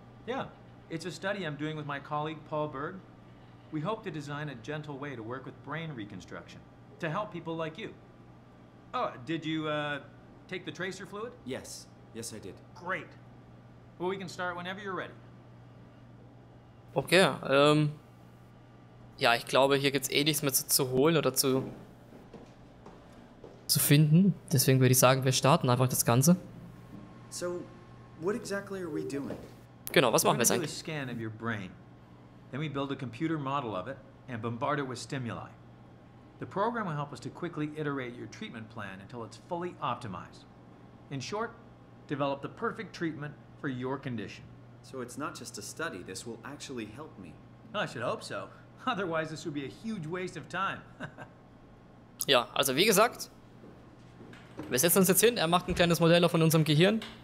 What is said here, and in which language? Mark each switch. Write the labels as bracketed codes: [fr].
[en] Yeah, it's a study I'm doing with my colleague, Paul Berg. We hope to design a gentle way to work with brain reconstruction, to help people like you. Oh, did you take the tracer fluid? Yes, yes I did. Great. Well, we can start whenever you're ready. [de] Okay, ja, ich glaube, hier gibt es eh nichts mehr zu holen oder zu finden. Deswegen würde ich sagen, wir starten einfach das Ganze. [en] So, what exactly are we doing? [de] Genau, was machen wir eigentlich? [en] We're going to do a scan of your brain. Then we build a computer model of it and bombard it with stimuli. The program will help us to quickly iterate your treatment plan until it's fully optimized. In short, develop the perfect treatment for your condition. So it's not just a study. This will actually help me. I should hope so. Otherwise, this would be a huge waste of time. [de] Ja, also wie gesagt, wir setzen uns jetzt hin, er macht ein kleines Modell von unserem Gehirn.